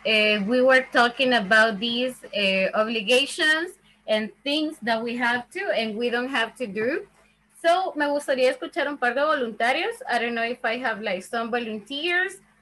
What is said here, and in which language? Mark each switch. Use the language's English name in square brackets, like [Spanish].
[English] We were talking about these obligations and things that we have to and we don't have to do. [Spanish] So, me gustaría escuchar un par de voluntarios. [English] I don't know if I have like some volunteers.